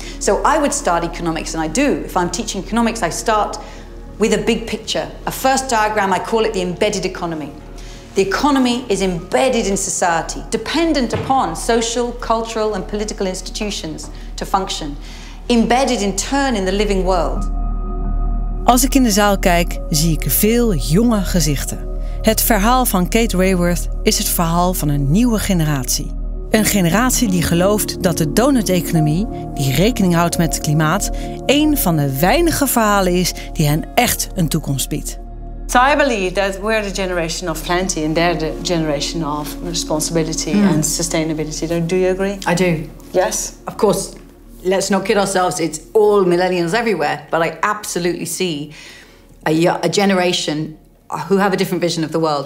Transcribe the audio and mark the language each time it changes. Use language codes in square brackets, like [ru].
[en] So I would start economics, and I do. If I'm teaching economics, I start with a big picture, a first diagram. I call it the embedded economy. The economy is embedded in society, dependent upon social, cultural, and political institutions to function, embedded in turn in the living world. [nl] Als ik in de zaal kijk, zie ik veel jonge gezichten. Het verhaal van Kate Raworth is het verhaal van een nieuwe generatie. Een generatie die gelooft dat de donut-economie, die rekening houdt met het klimaat, een van de weinige verhalen is die hen echt een toekomst biedt. [en] So I believe that we're the generation of plenty and they're the generation of responsibility and sustainability. Do you agree? I do. Yes? Of course, let's not kid ourselves, it's all millennials everywhere, but I absolutely see a generation who have a different vision of the world.